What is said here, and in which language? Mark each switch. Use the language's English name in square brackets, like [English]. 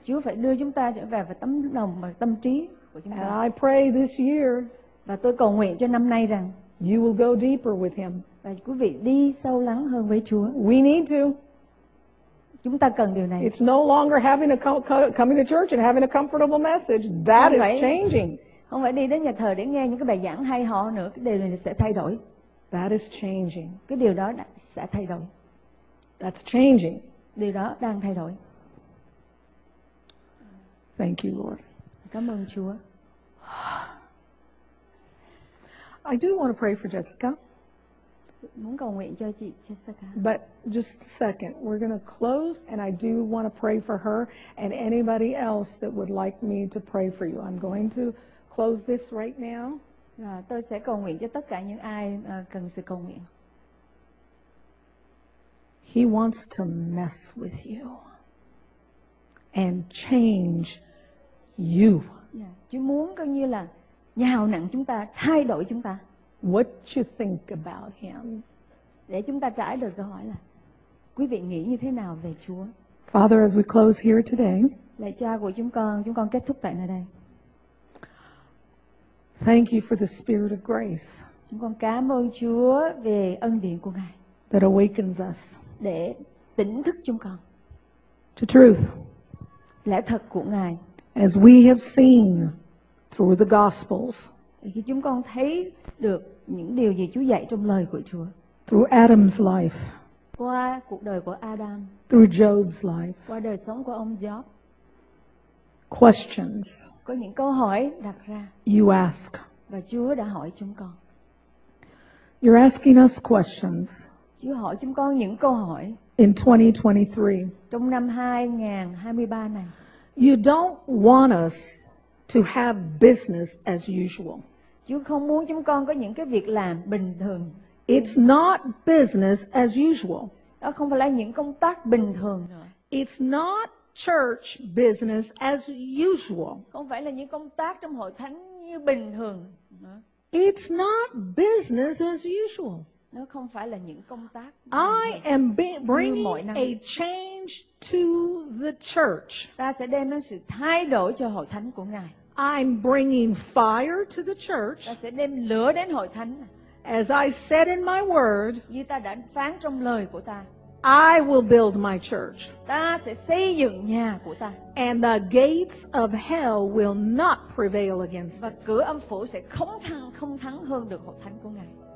[Vietnamese] Chúa phải đưa chúng ta trở về vào tấm lòng và tâm trí của chúng ta. [English] And I pray this year. [Vietnamese] Và tôi cầu nguyện cho năm nay rằng [English] you will go deeper with him. [Vietnamese] Và quý vị đi sâu lắng hơn với Chúa. [English] We need to. [Vietnamese] Chúng ta cần điều này. [English] It's no longer having a coming to church and having a comfortable message. That is changing. [Vietnamese] Không phải đi đến nhà thờ để nghe những cái bài giảng hay ho nữa, cái điều này sẽ thay đổi. [English] That is changing. [Vietnamese] Cái điều đó sẽ thay đổi. [English] That's changing. [Vietnamese] Điều đó đang thay đổi. [English] Thank you, Lord. [Vietnamese] Cảm ơn Chúa. [English] I do want to pray for Jessica. [Vietnamese] Muốn cầu nguyện cho chị Jessica. [English] But just a second. We're going to close and I do want to pray for her and anybody else that would like me to pray for you. I'm going to close this right now. [Vietnamese] Tôi sẽ cầu nguyện cho tất cả những ai cần sự cầu nguyện. [English] He wants to mess with you and change you. [Vietnamese] Chúa muốn coi như là nhào nặn chúng ta, thay đổi chúng ta. [English] What you think about him? [Vietnamese] Để chúng ta trả lời câu hỏi là quý vị nghĩ như thế nào về Chúa? [English] Father, as we close here today. [Vietnamese] Lạy Cha của chúng con kết thúc tại nơi đây. [English] Thank you for the spirit of grace. [Vietnamese] Chúng con cảm ơn Chúa về ân điển của Ngài. [English] That awakens us. [Vietnamese] Để tỉnh thức chúng con. [English] To truth. [Vietnamese] Lẽ thật của Ngài. [English] As we have seen through the gospels. [Vietnamese] Khi chúng con thấy được những điều gì Chúa dạy trong lời của Chúa. [English] Through Adam's life. [Vietnamese] qua cuộc đời của Adam, [English] through Job's life, [Vietnamese] qua đời sống của ông Job, [English] questions, [Vietnamese] có những câu hỏi đặt ra, [English] you ask, [Vietnamese] và Chúa đã hỏi chúng con. [English] You're asking us questions. [Vietnamese] Chúa hỏi chúng con những câu hỏi. [English] In 2023. [Vietnamese] Trong năm 2023 này. [English] You don't want us to have business as usual. [Vietnamese] Chúa không muốn chúng con có những cái việc làm bình thường. [English] It's not business as usual. [Vietnamese] Đó không phải là những công tác bình thường nữa. [English] It's not church business as usual. [Vietnamese] Không phải là những công tác trong hội thánh như bình thường nữa. [English] It's not business as usual. [Vietnamese] Nó không phải là những công tác. [English] I am bringing a change to the church. [Vietnamese] Ta sẽ đem đến sự thay đổi cho hội thánh của Ngài. [English] I'm bringing fire to the church. [Vietnamese] Ta sẽ đem lửa đến hội thánh. [English] As I said in my word, [Vietnamese] như ta đã phán trong lời của ta, [English] I will build my church. [Vietnamese] Ta sẽ xây dựng nhà của ta. [English] And the gates of hell will not prevail against it. [Vietnamese] Và cửa âm phủ sẽ không thắng hơn được hội thánh của Ngài.